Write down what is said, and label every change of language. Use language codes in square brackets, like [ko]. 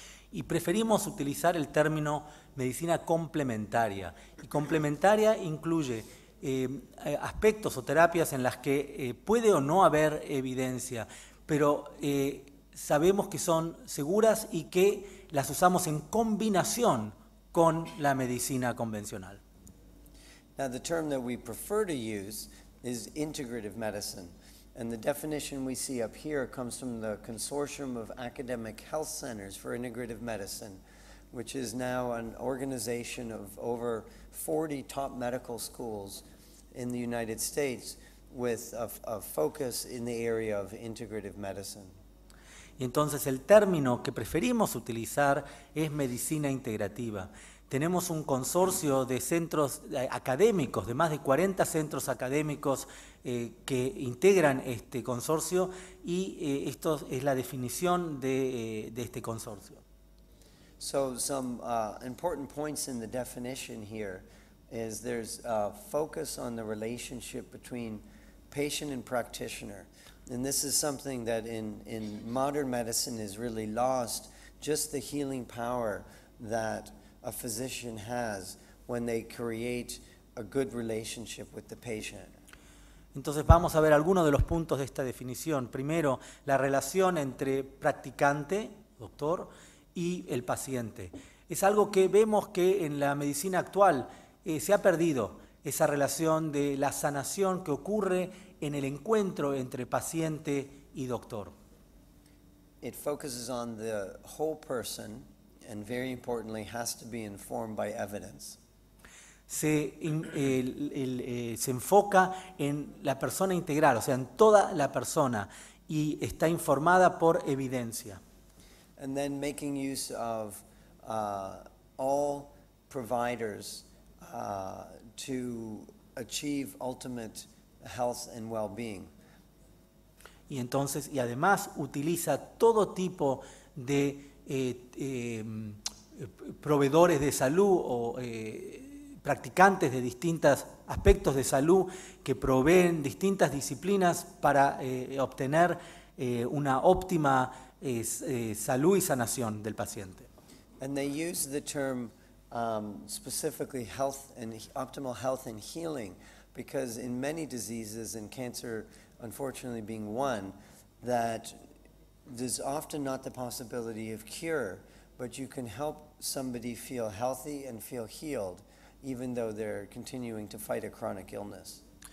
[es] Y preferimos utilizar el término medicina complementaria. Y complementaria incluye aspectos o terapias en las que puede o no haber evidencia, pero sabemos que son seguras y que las usamos en combinación con la medicina convencional. [en] Now the term that we prefer to use is integrative medicine, and the definition we see up here comes from the Consortium of Academic Health Centers for Integrative Medicine, which is now an organization of over 40 top medical schools in the United States with a focus in the area of integrative medicine. [es] Y entonces el término que preferimos utilizar es medicina integrativa. Tenemos un consorcio de centros académicos, de más de 40 centros académicos que integran este consorcio, y esto es la definición de este consorcio. [en] So some important points in the definition here is there's a focus on the relationship between patient and practitioner. And this is something that in modern medicine is really lost, just the healing power that a physician has when they create a good relationship with the patient. [es] Entonces vamos a ver algunos de los puntos de esta definición. Primero, la relación entre practicante, doctor, y el paciente. Es algo que vemos que en la medicina actual se ha perdido esa relación de la sanación que ocurre en el encuentro entre paciente y doctor. [en] It focuses on the whole person and very importantly has to be informed by evidence. [es] Se enfoca en la persona integral, o sea, en toda la persona, y está informada por evidencia. [en] And then making use of all providers to achieve ultimate health and well-being. [es] Y entonces, y además utiliza todo tipo de proveedores de salud o practicantes de distintos aspectos de salud que proveen distintas disciplinas para obtener una óptima salud y sanación del paciente. [en] And they use the term specifically health and optimal health and healing because in many diseases and cancer unfortunately being one that there's often not the possibility of cure but you can help somebody feel healthy and feel healed even though they're continuing to fight a chronic illness.